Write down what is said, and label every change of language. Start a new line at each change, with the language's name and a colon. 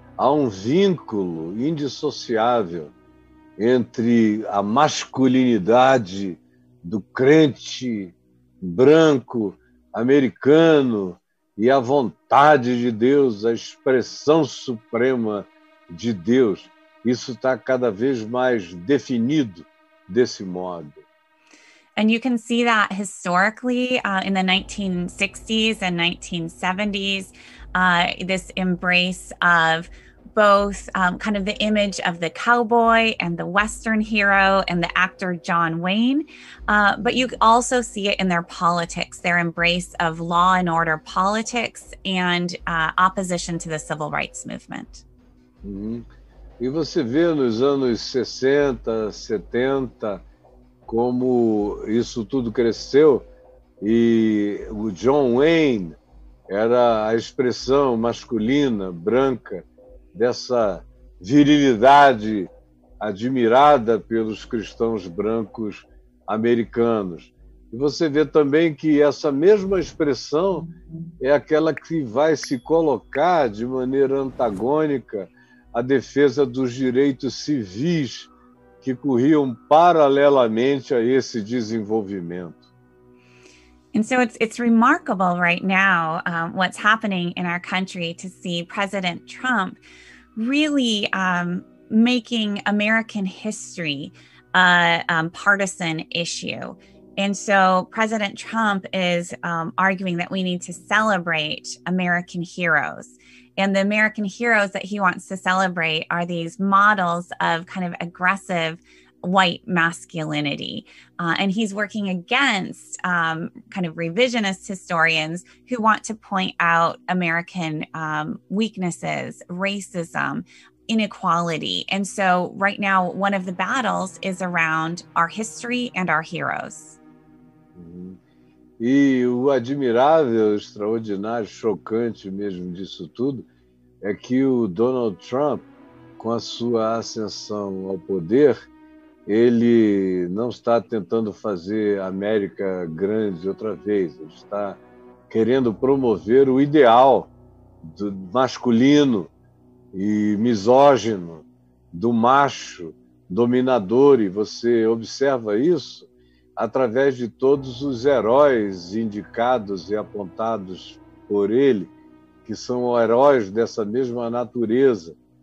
Portuguese: há um vínculo indissociável entre a masculinidade do crente branco americano e a vontade de Deus, a expressão suprema de Deus. Isso está cada vez mais definido desse modo.
English: And you can see that historically in the 1960s and 1970s, this embrace of both kind of the image of the cowboy and the Western hero and the actor John Wayne, but you also see it in their politics, their embrace of law and order politics and opposition to the civil rights movement. Mm-hmm.
Portuguese: E você vê nos anos 60, 70, como isso tudo cresceu e o John Wayne era a expressão masculina, branca, dessa virilidade admirada pelos cristãos brancos americanos. E você vê também que essa mesma expressão é aquela que vai se colocar de maneira antagônica à defesa dos direitos civis que corriam paralelamente a esse desenvolvimento.
English: And so it's remarkable right now what's happening in our country to see President Trump really making American history a partisan issue. And so President Trump is arguing that we need to celebrate American heroes. And the American heroes that he wants to celebrate are these models of kind of aggressive white masculinity. And he's working against kind of revisionist historians who want to point out American weaknesses, racism, inequality. And so right now, one of the battles is around our history and our heroes.
Portuguese: E o admirável, extraordinário, chocante mesmo disso tudo é que o Donald Trump, com a sua ascensão ao poder, ele não está tentando fazer a América grande outra vez, ele está querendo promover o ideal do masculino e misógino, do macho dominador, e você observa isso através de todos os heróis indicados e apontados por ele, que são heróis dessa mesma natureza.